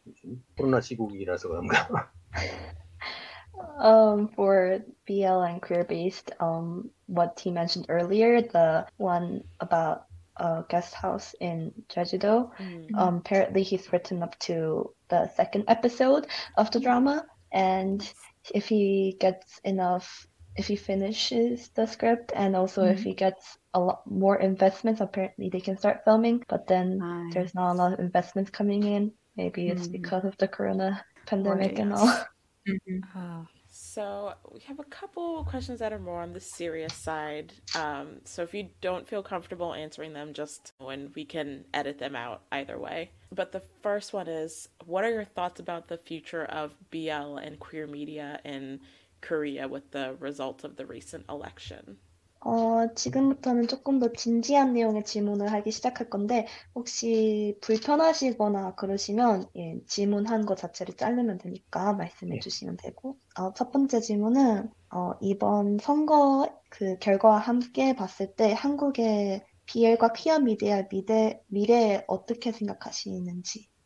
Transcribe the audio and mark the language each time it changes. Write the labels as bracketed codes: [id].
[ko] 요즘 코로나 시국이라서 그런가. [en] For BL and queer based, what he mentioned earlier, the one about a guest house in Jeju-do, mm-hmm. Apparently he's written up to the second episode of the drama, and if he gets enough, if he finishes the script, and also mm-hmm. if he gets a lot more investments, apparently they can start filming, but then nice. There's not a lot of investments coming in. Maybe it's mm-hmm. because of the corona pandemic right. and all. So we have a couple questions that are more on the serious side. So if you don't feel comfortable answering them, just when we can edit them out either way. But the first one is, what are your thoughts about the future of BL and queer media in Korea with the results of the recent election? [ko] 지금부터는 조금 더 진지한 내용의 질문을 하기 시작할 건데 혹시 불편하시거나 그러시면 예, 질문한 것 자체를 자르면 되니까 말씀해 주시면 되고 첫 번째 질문은 이번 선거 그 결과와 함께 봤을 때 한국의 BL과 퀴어 미디어의 미래에 어떻게 생각하시는지